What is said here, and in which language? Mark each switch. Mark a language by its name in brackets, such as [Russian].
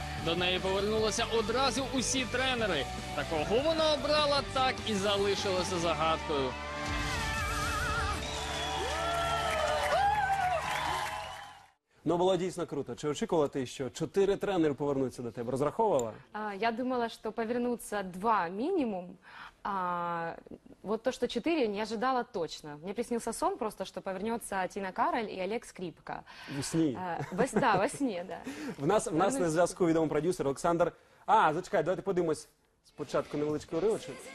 [Ukrainian] До неї повернулися одразу усі тренери. Та кого вона обрала, так і залишилася загадкою. Ну, було дійсно круто. Чи очікувала ти, що чотири тренери повернуться до тебе? Розраховувала? Я думала, що повернуться два мінімум. [Russian] А вот то, что четыре, не ожидала точно. Мне приснился сон просто, что повернется Тина Кароль и Олег Скрипка. Во сне. Да, во сне, да. [Ukrainian] В нас на зв'язку відомий продюсер Олександр. А, зачекай, давайте подивимось спочатку невеличкий уривочок.